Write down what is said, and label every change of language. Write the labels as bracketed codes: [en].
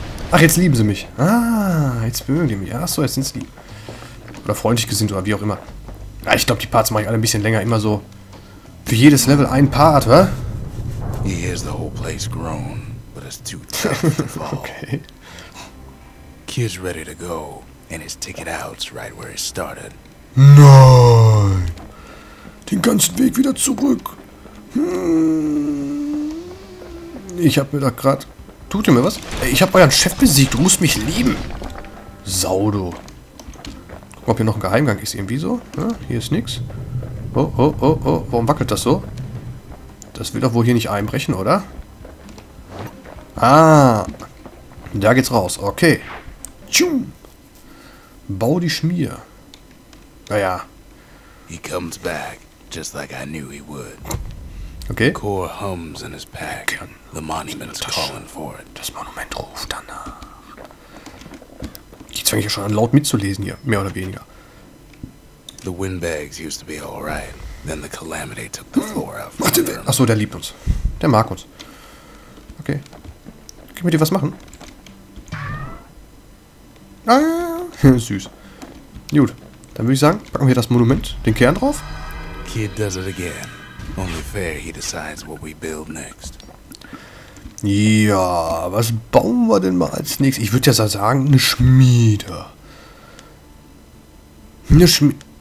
[de] Ach, jetzt lieben sie mich. Ah, jetzt mögen die mich. Ach so, jetzt sind sie lieb. Oder freundlich gesinnt, oder wie auch immer. Ja, ich glaube, die Parts mache ich alle ein bisschen länger. Immer so für jedes Level ein Part, oder? [en] He hears the whole place groan, but it's too tough to fall. [de] Okay. [en] Kid's ready to go, and his ticket out's right where he started. [de] Nein! Den ganzen Weg wieder zurück! Hm. Ich hab mir da grad. Tut ihr mir was? Ey, ich hab euren Chef besiegt, du musst mich lieben! Saudo. Guck mal, ob hier noch ein Geheimgang ist, irgendwie so. Ja, hier ist nix. Oh, oh, oh, oh, warum wackelt das so? Das will doch wohl hier nicht einbrechen, oder? Ah. Da geht's raus. Okay. Tschum. Bau die Schmier. Naja. [en] He comes back, just like I knew he would. [de] Okay. [en] Core hums in his pack. The monument's calling for it. [de] Das Monument ruft danach. Jetzt fange ich ja schon an, laut mitzulesen hier. Mehr oder weniger. [en] The windbags used to be all right. Then the calamity took the floor out. [de] Achso, der liebt uns. Der mag uns. Okay. Können wir dir was machen? Ah, süß. Gut. Dann würde ich sagen, packen wir das Monument, den Kern drauf. [en] Kid does it again. Only fair he decides what we build next. [de] Ja, was bauen wir denn mal als nächstes? Ich würde ja sagen, eine Schmiede. Eine Schmiede.